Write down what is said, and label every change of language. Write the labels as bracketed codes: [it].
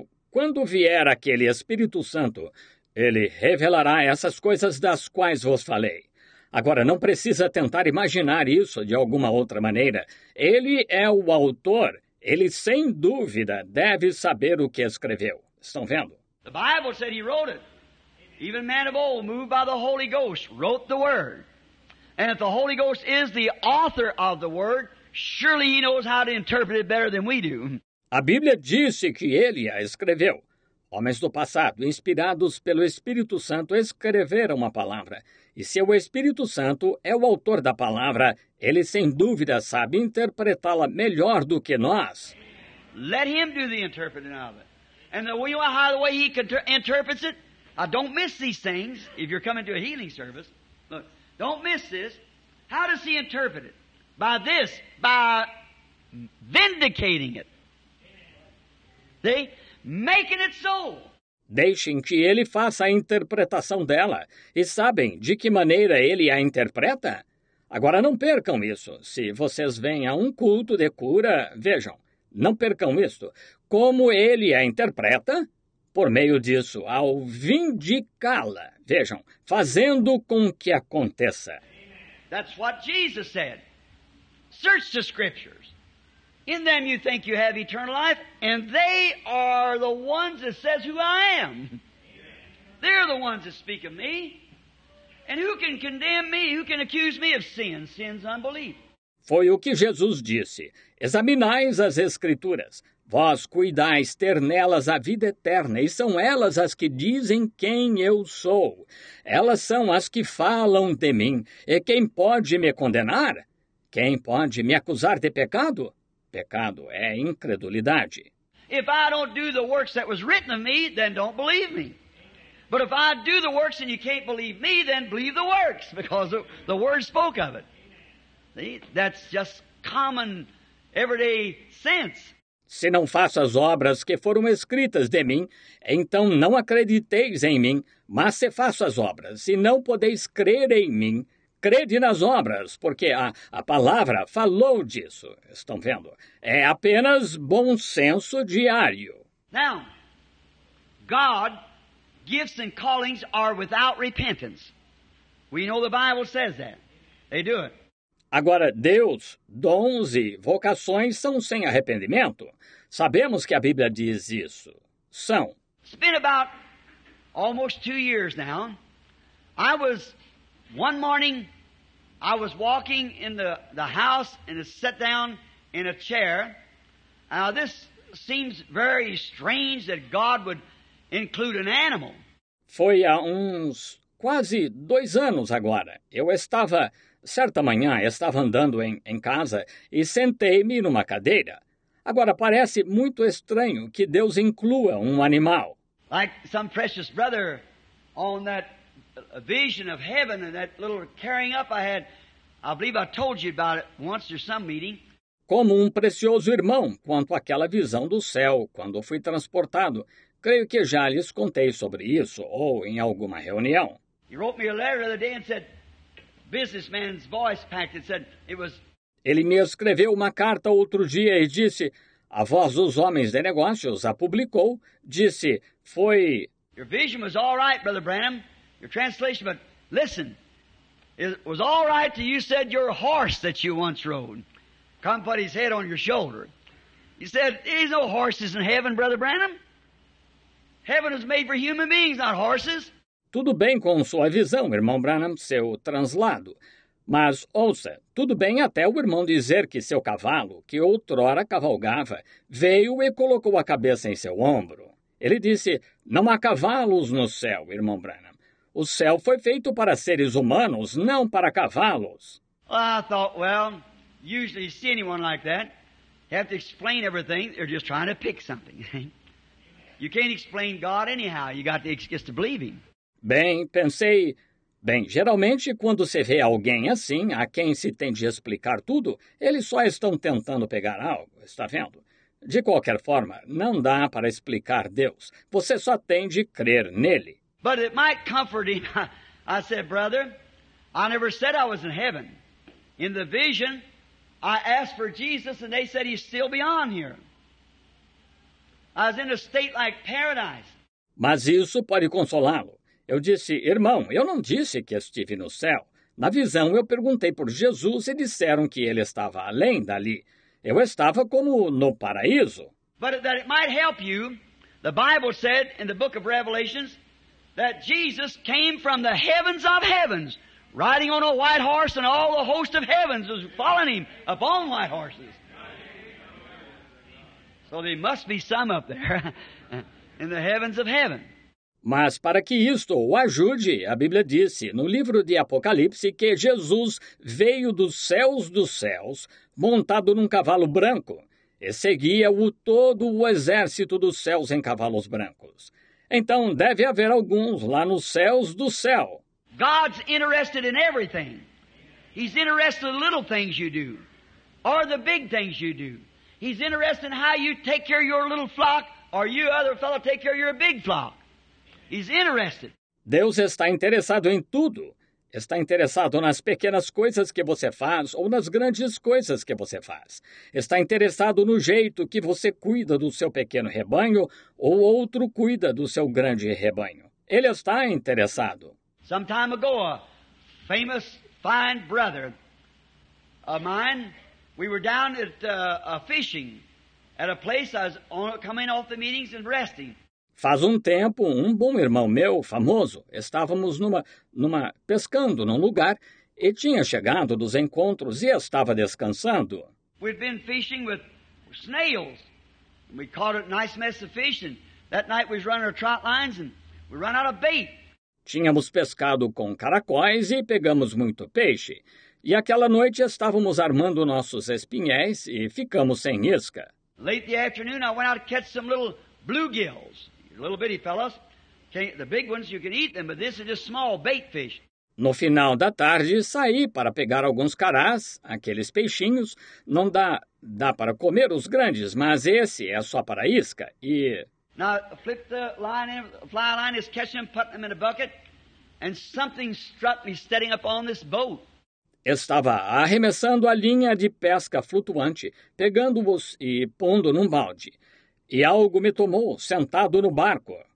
[pt] Quando vier aquele Espírito Santo, ele revelará essas coisas das quais vos falei. Agora, não precisa tentar imaginar isso de alguma outra maneira. Ele é o autor. Ele, sem dúvida, deve saber o que escreveu. Estão vendo? [en] The Bible said he wrote it. Even man of old, moved by the Holy Ghost, wrote the Word. And if the Holy Ghost is the author of the Word, surely he knows how to interpret it better than we do. [pt] A Bíblia disse que ele a escreveu. Homens do passado, inspirados pelo Espírito Santo, escreveram a palavra. E se o Espírito Santo é o autor da palavra, ele sem dúvida sabe interpretá-la melhor do que nós. [en] Let him do the interpreting of it. And the way, how the way he interprets it, I don't miss these things. If you're coming to a healing service, look, don't miss this. How does he interpret it? By this, by vindicating it. See? Making it so. [pt] Deixem que ele faça a interpretação dela. E sabem de que maneira ele a interpreta? Agora não percam isso. Se vocês vêm a um culto de cura, vejam, não percam isto. Como ele a interpreta? Por meio disso, ao vindicá-la. Vejam, fazendo com que aconteça. [en] That's what Jesus said. Search the scriptures. In them you think you have eternal life, and they are the ones that says who I am. They're the ones that speak of me. And who can condemn me? Who can accuse me of sin? Sin's unbelief. [pt] Foi o que Jesus disse. Examinais as Escrituras. Vós cuidais ter nelas a vida eterna, e são elas as que dizem quem eu sou. Elas são as que falam de mim. E quem pode me condenar? Quem pode me acusar de pecado? Pecado é incredulidade. [en] If I don't do the works that was written of me, then don't believe me. But if I do the works and you can't believe me, then believe the works, because the Word spoke of it. See? That's just common, everyday sense. [pt] Se não faço as obras que foram escritas de mim, então não acrediteis em mim. Mas se faço as obras, se não podeis crer em mim, crede nas obras, porque a palavra falou disso. Estão vendo? É apenas bom senso diário. [en] Now, God's gifts and callings are without repentance. We know the Bible says that. They do it. [pt] Agora, Deus, dons e vocações são sem arrependimento. Sabemos que a Bíblia diz isso. São. [en] It's been about almost 2 years now. I was one morning, I was walking in the house and sat down in a chair. Now, this seems very strange that God would include an animal. [pt] Foi há uns quase 2 anos agora. Eu estava, certa manhã, estava andando em casa e sentei-me numa cadeira. Agora, parece muito estranho que Deus inclua animal. [en] Like some precious brother on that a vision of heaven and that little carrying up I had. I believe I told you about it once or some meeting. [pt] Como precioso irmão, quanto àquela visão do céu, quando fui transportado. Creio que já lhes contei sobre isso, ou em alguma reunião. [en] He wrote me a letter the other day and said, businessman's voice packed and said, it was... [pt] Ele me escreveu uma carta outro dia e disse, a voz dos homens de negócios a publicou, disse, foi... [en] Your vision was all right, Brother Branham. Your translation, but listen. It was all right till you said your horse that you once rode. Come put his head on your shoulder. He said, there's no horses in heaven, Brother Branham. Heaven is made for human beings, not horses. [pt] Tudo bem com sua visão, irmão Branham, seu translado. Mas, ouça, tudo bem até o irmão dizer que seu cavalo, que outrora cavalgava, veio e colocou a cabeça em seu ombro. Ele disse, não há cavalos no céu, irmão Branham. O céu foi feito para seres humanos, não para cavalos. [en] Well, I thought, well, usually you see anyone like that. You have to explain everything. They're just trying to pick something. You can't explain God anyhow. You got to just to believe him. [pt] Bem, pensei, bem, geralmente quando se vê alguém assim, a quem se tem de explicar tudo, eles só estão tentando pegar algo, está vendo? De qualquer forma, não dá para explicar Deus. Você só tem de crer nele. [en] But it might comfort him. I said, brother, I never said I was in heaven. In the vision, I asked for Jesus and they said he's still beyond here. I was in a state like paradise. [pt] Mas isso pode consolá-lo. Eu disse, irmão, eu não disse que estive no céu. Na visão, eu perguntei por Jesus e disseram que ele estava além dali. Eu estava como no paraíso. [en] But that it might help you, the Bible said in the book of Revelations that Jesus came from the heavens of heavens, riding on a white horse, and all the host of heavens was following him upon white horses. So there must be some up there in the heavens of heaven. [pt] Mas para que isto o ajude, a Bíblia disse no livro de Apocalipse que Jesus veio dos céus, montado num cavalo branco, e seguia-o todo o exército dos céus em cavalos brancos. Então deve haver alguns lá nos céus do céu. [en] God's interested in everything. He's interested in little things you do, or the big things you do. He's interested in how you take care of your little flock, or you other fellow take care of your big flock. He's interested. [pt] Deus está interessado em tudo. Está interessado nas pequenas coisas que você faz ou nas grandes coisas que você faz. Está interessado no jeito que você cuida do seu pequeno rebanho ou outro cuida do seu grande rebanho. Ele está interessado. [en] Some time ago, a famous fine brother of mine, we were down at fishing at a place I was coming off the meetings and resting. [pt] Faz um tempo, um bom irmão meu, famoso, estávamos numa pescando num lugar e tinha chegado dos encontros e estava descansando. [en] We'd been fishing with snails. And we caught a nice mess of fish and that night we was running our trot lines and we ran out of bait. [pt] Tínhamos pescado com caracóis e pegamos muito peixe. E aquela noite estávamos armando nossos espinhéis e ficamos sem isca. [en] Late the afternoon I went out to catch some little bluegills. Little bitty fellows, the big ones you can eat them, but this is just small bait fish. [pt] No final da tarde, saí para pegar alguns carás, aqueles peixinhos. Não dá para comer os grandes, mas esse é só para isca. E [en] now flip the line in, fly line is catching them, putting them in a bucket, and something struck me standing up on this boat. [pt] Estava arremessando a linha de pesca flutuante, pegando-os e pondo num balde. E algo me tomou, sentado no barco.